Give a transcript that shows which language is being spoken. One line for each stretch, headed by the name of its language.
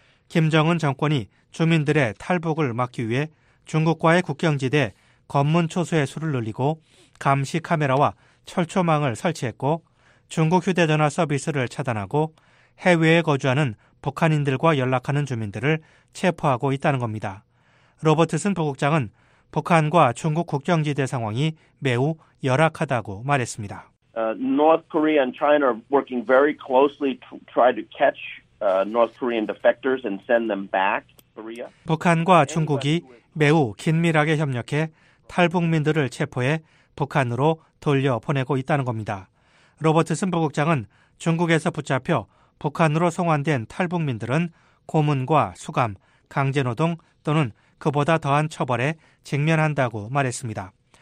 Korean: 김정은 정권이 주민들의 탈북을 막기 위해 중국과의 국경지대 검문 초소의 수를 늘리고 감시 카메라와 철조망을 설치했고 중국 휴대전화 서비스를 차단하고 해외에 거주하는 북한인들과 연락하는 주민들을 체포하고 있다는 겁니다. 로버트슨 부국장은 북한과 중국 국경지대 상황이 매우 열악하다고 말했습니다.
English: North Korea and China are working very closely to try to catch North Korean defectors and send them back Korea.
Korean: 북한과 중국이 매우 긴밀하게 협력해 탈북민들을 체포해 북한으로 돌려보내고 있다는 겁니다. 로버트슨 부국장은 중국에서 붙잡혀 북한으로 송환된 탈북민들은 고문과 수감, 강제노동 또는 그보다 더한 처벌에 직면한다고 말했습니다.